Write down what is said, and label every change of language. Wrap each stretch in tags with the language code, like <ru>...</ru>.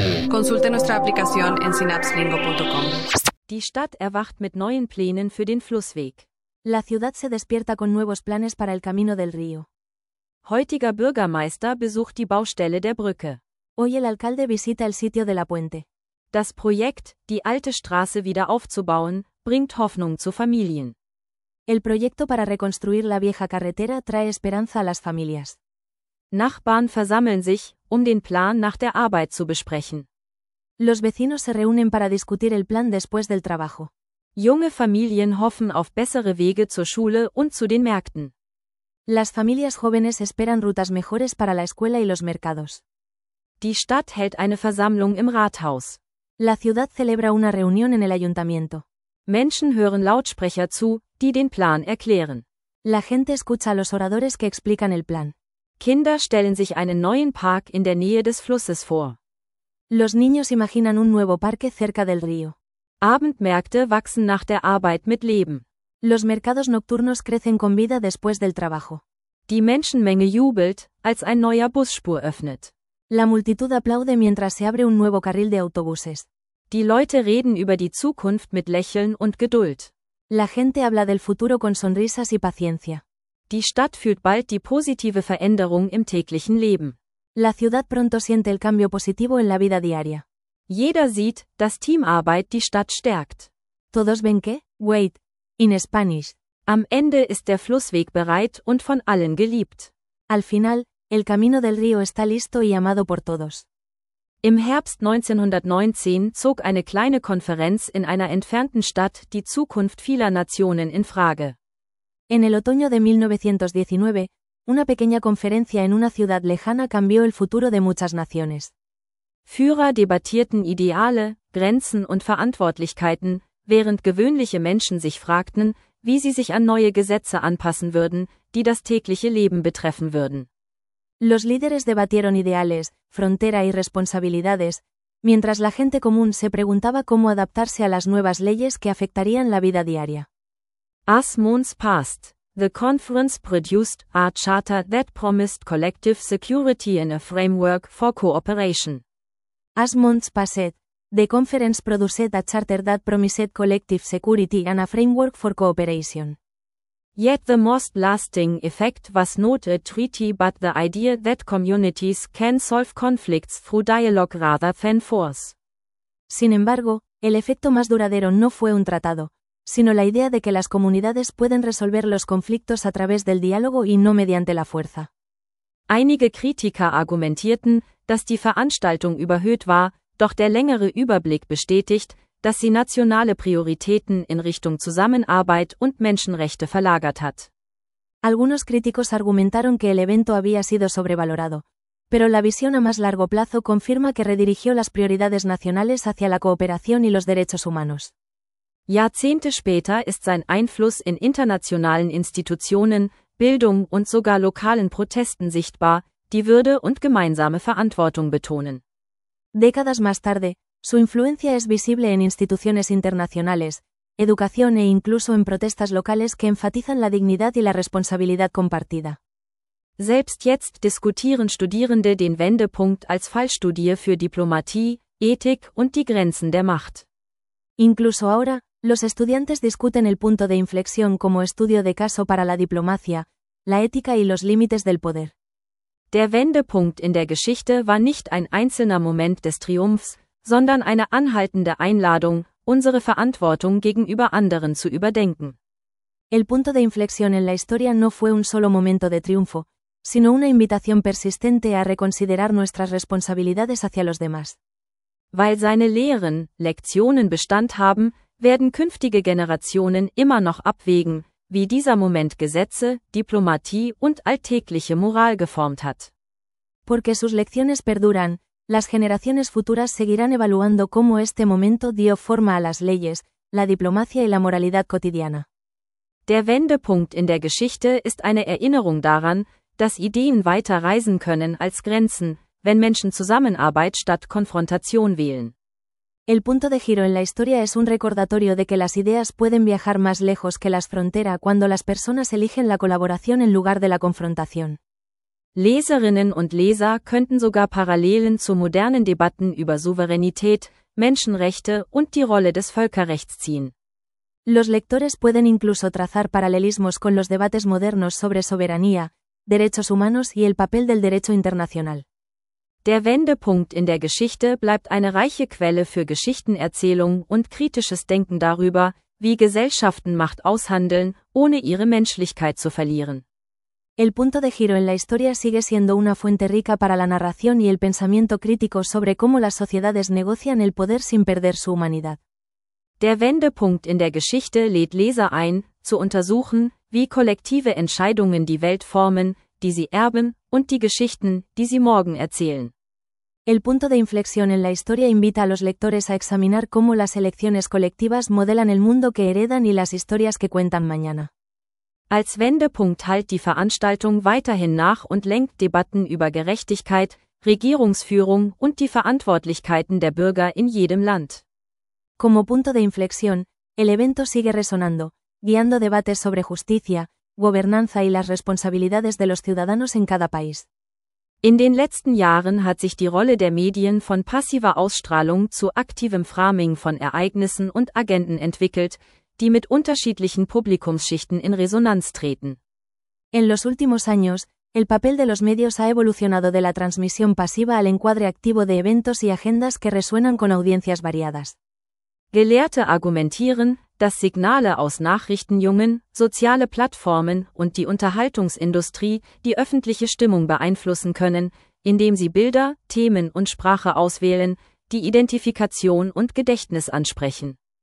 <es>Consulte nuestra aplicación en synapselingo.com.</es> <de>Die Stadt erwacht mit neuen Plänen für den Flussweg.</de> <es>La ciudad se despierta con nuevos planes para el camino del río.</es> <de>Heutiger Bürgermeister besucht die Baustelle der Brücke.</de> <es>Hoy el alcalde visita el sitio de la puente.</es> <de>Das Projekt, die alte Straße wieder aufzubauen, bringt Hoffnung zu Familien.</de> <es>El proyecto para reconstruir la vieja carretera trae esperanza a las familias.</es> <de>Nachbarn versammeln sich, um den Plan nach der Arbeit zu besprechen.</de> <es>Los vecinos se reúnen para discutir el plan después del trabajo.</es> <de>Junge Familien hoffen auf bessere Wege zur Schule und zu den Märkten.</de> <es>Las familias jóvenes esperan rutas mejores para la escuela y los mercados.</es> <de>Die Stadt hält eine Versammlung im Rathaus.</de> <es>La ciudad celebra una reunión en el ayuntamiento.</es> <de>Menschen hören Lautsprecher zu, die den Plan erklären.</de> <es>La gente escucha a los oradores que explican el plan.</es> <de>Kinder stellen sich einen neuen Park in der Nähe des Flusses vor.</de> <es>Los niños imaginan un nuevo parque cerca del río.</es> <de>Abendmärkte wachsen nach der Arbeit mit Leben.</de> <es>Los mercados nocturnos crecen con vida después del trabajo.</es> <de>Die Menschenmenge jubelt, als ein neuer Busspur öffnet.</de> <es>La multitud aplaude mientras se abre un nuevo carril de autobuses.</es> <de>Die Leute reden über die Zukunft mit Lächeln und Geduld.</de> <es>La gente habla del futuro con sonrisas y paciencia.</es> <de>Die Stadt fühlt bald die positive Veränderung im täglichen Leben.</de> <es>La ciudad pronto siente el cambio positivo en la vida diaria.</es> <de>Jeder sieht, dass Teamarbeit die Stadt stärkt.</de> <es>Todos ven que,</es> <en>wait, in Spanish.</en> <de>Am Ende ist der Flussweg bereit und von allen geliebt.</de> <es>Al final, el camino del río está listo y amado por todos.</es> <de>Im Herbst 1919 zog eine kleine Konferenz in einer entfernten Stadt die Zukunft vieler Nationen in Frage.</de> <es>En el otoño de 1919, una pequeña conferencia en una ciudad lejana cambió el futuro de muchas naciones.</es> <de>Führer debattierten Ideale, Grenzen und Verantwortlichkeiten, während gewöhnliche Menschen sich fragten, wie sie sich an neue Gesetze anpassen würden, die das tägliche Leben betreffen würden.</de> <es>Los líderes debatieron ideales, frontera y responsabilidades, mientras la gente común se preguntaba cómo adaptarse a las nuevas leyes que afectarían la vida diaria.</es> <en>As months passed, the conference produced a charter that promised collective security in a framework for cooperation. As months passed, the conference produced a charter that promised collective security and a framework for cooperation. Yet the most lasting effect was not a treaty but the idea that communities can solve conflicts through dialogue rather than force.</en> <es>Sin embargo, el efecto más duradero no fue un tratado, sino la idea de que las comunidades pueden resolver los conflictos a través del diálogo y no mediante la fuerza.</es> <de>Einige Kritiker argumentierten, dass die Veranstaltung überhöht war, doch der längere Überblick bestätigt, dass sie nationale Prioritäten in Richtung Zusammenarbeit und Menschenrechte verlagert hat.</de> <es>Algunos críticos argumentaron que el evento había sido sobrevalorado, pero la visión a más largo plazo confirma que redirigió las prioridades nacionales hacia la cooperación y los derechos humanos.</es> <de>Jahrzehnte später ist sein Einfluss in internationalen Institutionen, Bildung und sogar lokalen Protesten sichtbar, die Würde und gemeinsame Verantwortung betonen.</de> <es>Décadas más tarde, su influencia es visible en instituciones internacionales, educación e incluso en protestas locales que enfatizan la dignidad y la responsabilidad compartida.</es> <de>Selbst jetzt diskutieren Studierende den Wendepunkt als Fallstudie für Diplomatie, Ethik und die Grenzen der Macht.</de> <es>Incluso ahora, los estudiantes discuten el punto de inflexión como estudio de caso para la diplomacia, la ética y los límites del poder.</es> <de>Der Wendepunkt in der Geschichte war nicht ein einzelner Moment des Triumphs, sondern eine anhaltende Einladung, unsere Verantwortung gegenüber anderen zu überdenken.</de> <es>El punto de inflexión en la historia no fue un solo momento de triunfo, sino una invitación persistente a reconsiderar nuestras responsabilidades hacia los demás.</es> <de>Weil seine Lehren, Lektionen Bestand haben, werden künftige Generationen immer noch abwägen, wie dieser Moment Gesetze, Diplomatie und alltägliche Moral geformt hat.</de> <es>Porque sus lecciones perduran, las generaciones futuras seguirán evaluando cómo este momento dio forma a las leyes, la diplomacia y la moralidad cotidiana.</es> <de>Der Wendepunkt in der Geschichte ist eine Erinnerung daran, dass Ideen weiter reisen können als Grenzen, wenn Menschen Zusammenarbeit statt Konfrontation wählen.</de> <es>El punto de giro en la historia es un recordatorio de que las ideas pueden viajar más lejos que las fronteras cuando las personas eligen la colaboración en lugar de la confrontación.</es> <de>Leserinnen und Leser könnten sogar Parallelen zu modernen Debatten über Souveränität, Menschenrechte und die Rolle des Völkerrechts ziehen.</de> <es>Los lectores pueden incluso trazar paralelismos con los debates modernos sobre soberanía, derechos humanos y el papel del derecho internacional.</es> <de>Der Wendepunkt in der Geschichte bleibt eine reiche Quelle für Geschichtenerzählung und kritisches Denken darüber, wie Gesellschaften Macht aushandeln, ohne ihre Menschlichkeit zu verlieren.</de> <es>El punto de giro en la historia sigue siendo una fuente rica para la narración y el pensamiento crítico sobre cómo las sociedades negocian el poder sin perder su humanidad.</es> <de>Der Wendepunkt in der Geschichte lädt Leser ein, zu untersuchen, wie kollektive Entscheidungen die Welt formen, die sie erben, und die Geschichten, die sie morgen erzählen.</de> <es>El punto de inflexión en la historia invita a los lectores a examinar cómo las elecciones colectivas modelan el mundo que heredan y las historias que cuentan mañana.</es> <de>Als Wendepunkt hält die Veranstaltung weiterhin nach und lenkt Debatten über Gerechtigkeit, Regierungsführung und die Verantwortlichkeiten der Bürger in jedem Land.</de> <es>Como punto de inflexión, el evento sigue resonando, guiando debates sobre justicia, gobernanza y las responsabilidades de los ciudadanos en cada país.</es> <de>In den letzten Jahren hat sich die Rolle der Medien von passiver Ausstrahlung zu aktivem Framing von Ereignissen und Agenden entwickelt, die mit unterschiedlichen Publikumsschichten in Resonanz treten.</de> <es>En los últimos años, el papel de los medios ha evolucionado de la transmisión pasiva al encuadre activo de eventos y agendas que resuenan con audiencias variadas.</es> <de>Gelehrte argumentieren, dass Signale aus Nachrichtenjungen, soziale Plattformen und die Unterhaltungsindustrie die öffentliche Stimmung beeinflussen können, indem sie Bilder, Themen und Sprache auswählen, die Identifikation und Gedächtnis ansprechen.</de>